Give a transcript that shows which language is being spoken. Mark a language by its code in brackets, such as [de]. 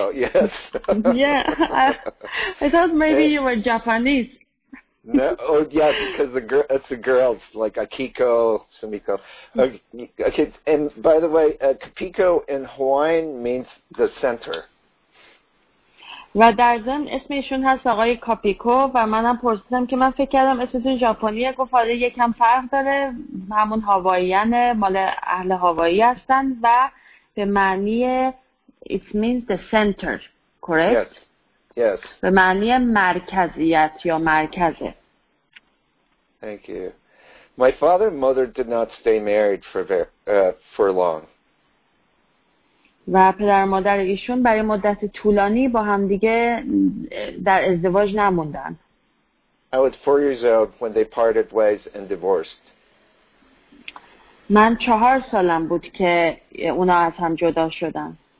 [en] Yes. Yeah. I thought maybe you were Japanese. No, oh yeah, because it's the girls like Akiko, Sumiko. Okay, and by the way, Kapiko in Hawaiian means the center. [fa] و در زن اسمشون هست آقای کاپیکو و منم پرسیدم که من فکر کردم اسمشون ژاپنیه، گفت آره یکم فرق داره، همون هاواییانه، مال اهل هاوایی هستن و به معنی [en] it means the center, correct? Yes. Yes. [fa] به معنی مرکزیت یا مرکزه. [en] Thank you. My father and mother did not stay married for long. [fa] و پدر و مادر ایشون برای مدت طولانی با هم دیگه در ازدواج نموندن. [en] I was 4 years old when they parted ways and divorced. [fa] من 4 سالم بود که اونا از هم جدا شدن.